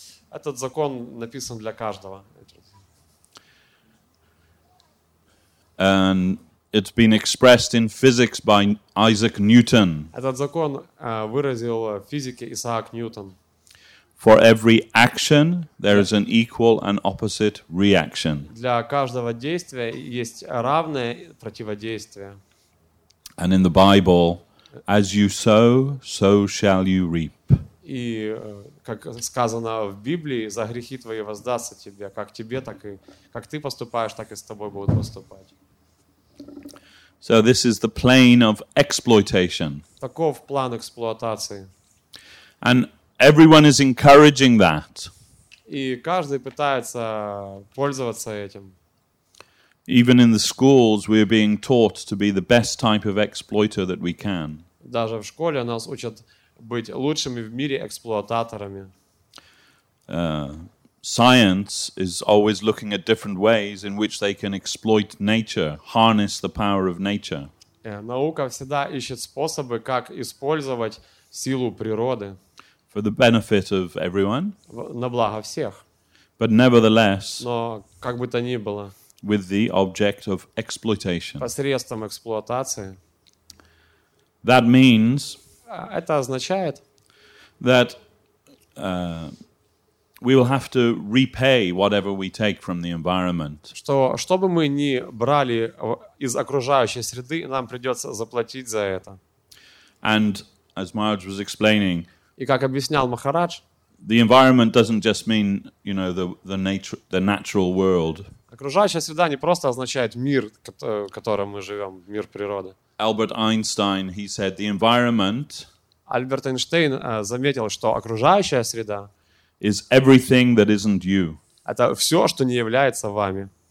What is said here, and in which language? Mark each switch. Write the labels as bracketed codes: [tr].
[ru] Этот закон написан для каждого. [en] And It's been expressed in physics by Isaac Newton. [ru] Этот закон выразил в физике Исаак Ньютон. [en] For every action, there is an equal and opposite reaction. [ru] Для каждого действия есть равное противодействие. [en] And in the Bible, as you sow, so shall you reap. [ru] И как сказано в Библии, за грехи твои воздастся тебе, как тебе, так и как ты поступаешь, так и с тобой будут поступать. [en] So this is the plane of exploitation. [ru] Таков план эксплуатации. [en] And everyone is encouraging that. [ru] И каждый пытается пользоваться этим. [en] Even in the schools, we are being taught to be the best type of exploiter that we can. [ru] Даже в школе нас учат быть лучшими в мире эксплуататорами. [en] Science is always looking at different ways in which they can exploit nature, harness the power of nature. [ru] Наука всегда ищет способы, как использовать силу природы. [en] For the benefit of everyone. [ru] На благо всех. [en] But nevertheless. [ru] Но как бы то ни было. [en] With the object of exploitation. [ru] Посредством эксплуатации. [en] That means. [ru] Это означает. [en] That we will have to repay whatever we take from the environment. [ru] Что, что бы мы ни брали из окружающей среды, нам придется заплатить за это. [en] And as Maharaj was explaining. [ru] И как объяснял Махарадж, [en] the environment doesn't just mean, you know, the natural world. [ru] Окружающая среда не просто означает мир, в котором мы живем, мир природы. [en] Albert Einstein, he said, the environment. [ru] Альберт Эйнштейн заметил, что окружающая среда [en] is everything that isn't you. [ru] Это все, что не является вами.